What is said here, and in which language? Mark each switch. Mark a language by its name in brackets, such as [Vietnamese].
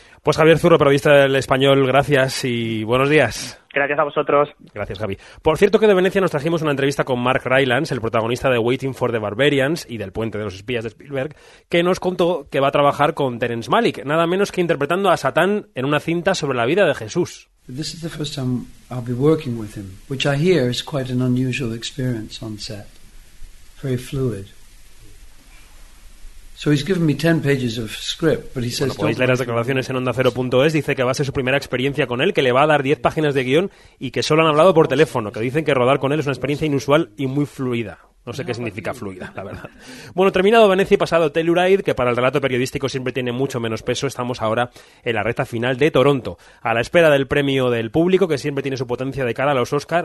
[Spanish] Pues Javier Zurro, periodista del Español, gracias y buenos días. Gracias a vosotros. Gracias, Javi. Por cierto, que de Venecia nos trajimos una entrevista con Mark Rylance, el protagonista de Waiting for the Barbarians y del Puente de los Espías de Spielberg, que nos contó que va a trabajar con Terrence Malick, nada menos que interpretando a Satán en una cinta sobre la vida de Jesús. [English] This is the first time I'll be working with him, which I hear is quite an unusual experience on set. Very fluid. So he's given me 10 pages of script, but he says... [Spanish] Bueno, podéis leer las declaraciones en OndaCero.es. Dice que va a ser su primera experiencia con él, que le va a dar 10 páginas de guión y que solo han hablado por teléfono, que dicen que rodar con él es una experiencia inusual y muy fluida. No sé qué significa fluida, la verdad. Bueno, terminado Venecia y pasado Telluride, que para el relato periodístico siempre tiene mucho menos peso, estamos ahora en la recta final de Toronto, a la espera del premio del público, que siempre tiene su potencia de cara a los Oscar.